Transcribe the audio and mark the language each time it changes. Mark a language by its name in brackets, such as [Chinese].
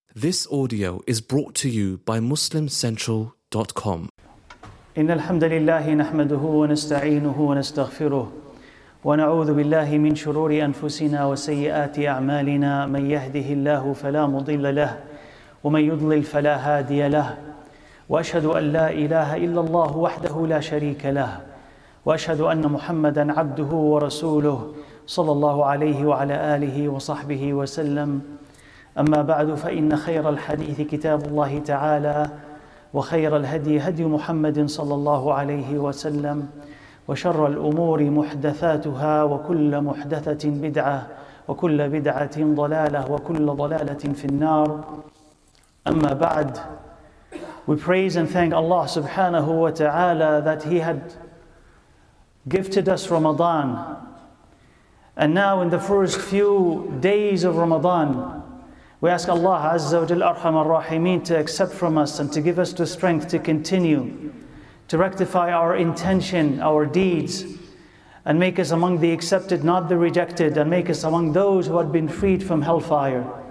[English] This audio is brought to you by MuslimCentral.com. [Arabic] إن الحمد لله نحمده ونستعينه ونستغفره ونعوذ بالله من شرور أنفسنا وسيئات أعمالنا من يهده الله فلا مضل له ومن يضلل فلا هادي له وأشهد أن لا إله إلا الله وحده لا شريك له وأشهد أن محمدا عبده ورسوله صلى الله عليه وعلى آله وصحبه وسلم أما بعد فإن خير الحديث كتاب الله تعالى وخير الهدي هدي محمد صلى الله عليه وسلم وشر الأمور محدثاتها وكل محدثة بدعة وكل بدعة ضلالة وكل ضلالة في النار أما بعد. [English] We praise and thank Allah subhanahu wa ta'ala that He had gifted us Ramadan. And now in the first few days of Ramadan, we ask Allah Azza wa Jalla Arham Ar-Rahimeen to accept from us and to give us the strength to continue, to rectify our intention, our deeds, and make us among the accepted, not the rejected, and make us among those who had been freed from hellfire.